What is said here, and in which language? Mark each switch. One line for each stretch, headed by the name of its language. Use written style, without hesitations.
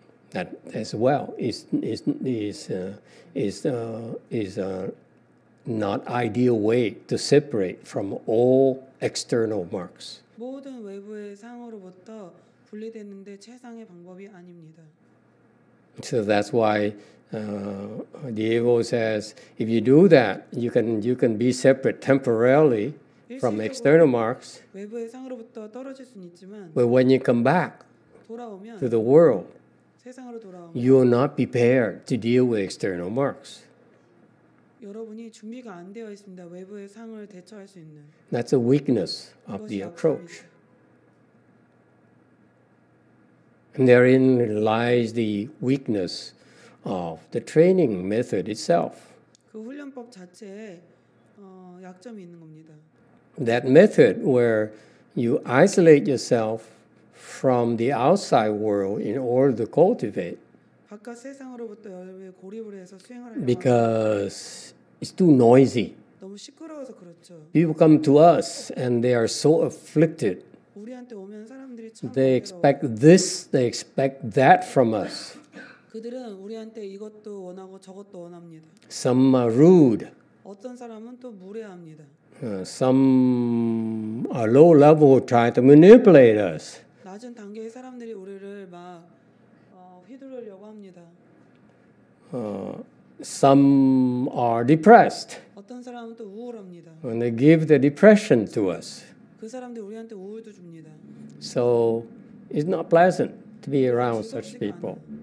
English: That as well is not ideal way to separate from all external marks.
Korean: 모든 외부의 상으로부터 분리되는데 최상의 방법이 아닙니다.
English: So that's why Diego says if you do that, you can be separate temporarily from external marks.
Korean: 외부의 상으로부터 떨어질 수는 있지만,
English: but when you come back
Korean: 돌아오면,
English: to the world,
Korean: 세상으로 돌아오면,
English: you are not prepared to deal with external marks.
Korean: 여러분이 준비가 안 되어 있습니다. 외부의 상을 대처할 수 있는.
English: That's a weakness of the approach.
Korean: 약합니다.
English: And therein lies the weakness of the training method itself.
Korean: 그 훈련법 자체에 약점이 있는 겁니다.
English: That method where you isolate yourself from the outside world in order to cultivate.
Korean: 바깥 세상으로부터 여러분이 고립을 해서 수행을 하려고.
English: Because it's too noisy.
Korean: 너무 시끄러워서 그렇죠.
English: People come to us and they are so afflicted.
Korean: 우리한테 오면 사람들이 참
English: They expect this, they expect that from us.
Korean: 그들은 우리한테 이것도 원하고 저것도 원합니다.
English: Some are rude.
Korean: 어떤 사람은 또 무례합니다.
English: Some are low level try to manipulate us.
Korean: 낮은 단계의 사람들이 우리를 막 휘두르려고 합니다.
English: Some are depressed.
Korean: 어떤 사람은 또 우울합니다.
English: And they give the depression to us.
Korean: 그 사람들이 우리한테 우울도 줍니다.
English: So it's not pleasant to be around such people.